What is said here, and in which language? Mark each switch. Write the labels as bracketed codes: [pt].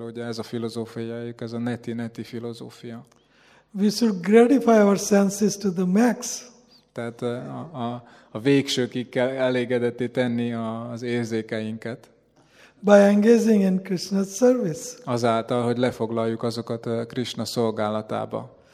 [hu] Ugye ez a filozófiájuk, ez a neti-neti filozófia. [en] We should gratify our senses to the max. [hu] Tehát a végsőkig kell elégedetté tenni az érzékeinket. [en] By engaging in Krishna's service. [hu] Azáltal, hogy lefoglaljuk azokat Krishna szolgálatába.